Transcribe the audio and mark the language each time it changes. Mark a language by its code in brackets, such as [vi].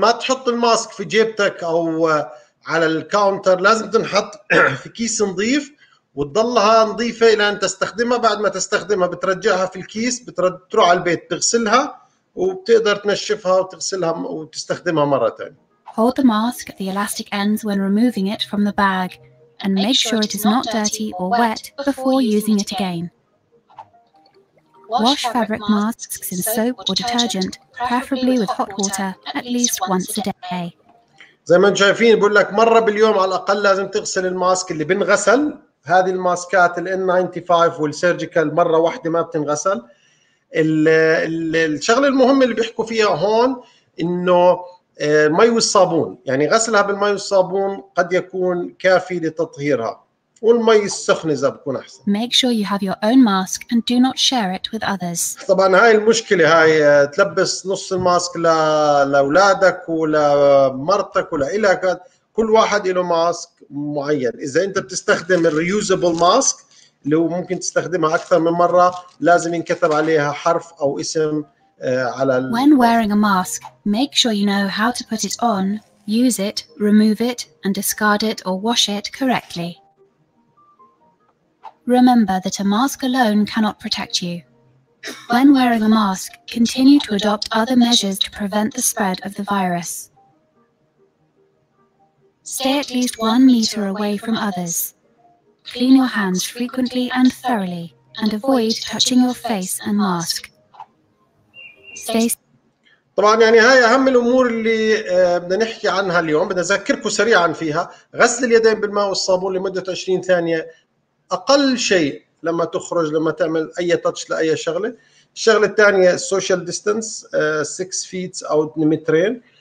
[ar] ما تحط الماسك في جيبتك او على الكاونتر، لازم تنحط في كيس نظيف وتضلها نظيفة الى ان تستخدمها. بعد ما تستخدمها بترجعها في الكيس، بتروح على البيت تغسلها وبتقدر تنشفها وتغسلها وتستخدمها مرة تانية. [en] Hold the mask at the elastic ends when removing it from the bag and make sure it is not dirty or wet before using it again. Wash fabric masks in soap or detergent, preferably with hot water, at least once a day. [ar] زي ما انتم شايفين بقول لك مرة باليوم على الأقل لازم تغسل الماسك اللي بنغسل. هذه الماسكات الـ N95 والسيرجيكال مرة واحدة ما بتنغسل. الشغل المهم اللي بيحكوا فيها هون إنه المي والصابون، يعني غسلها بالمي والصابون قد يكون كافي لتطهيرها، والمي السخن إذا بكون أحسن. [en] Make sure you have your own mask and do not share it with others. [ar] طبعاً هاي المشكلة، هاي تلبس نص الماسك لأولادك ولمرتك ولإلك، كل واحد له ماسك معين. إذا أنت بتستخدم الريوزابل ماسك اللي هو ممكن تستخدمها أكثر من مرة، لازم ينكتب عليها حرف أو اسم على ال... [en] When wearing a mask, make sure you know how to put it on, use it, remove it, and discard it or wash it correctly. Remember that a mask alone cannot protect you. When wearing a mask, continue to adopt other measures to prevent the spread of the virus. Stay at least 1 meter away from others. Clean your hands frequently and thoroughly, and avoid touching your face and mask. [ar] طبعا يعني هاي اهم الامور اللي بدنا نحكي عنها اليوم، بدنا اذكركم سريعا فيها. غسل اليدين بالماء والصابون لمدة 20 ثانية اقل شيء لما تخرج، لما تعمل اي تاتش لاي شغلة. الشغلة الثانية السوشيال ديستانس 6 فيت او 2 مترين.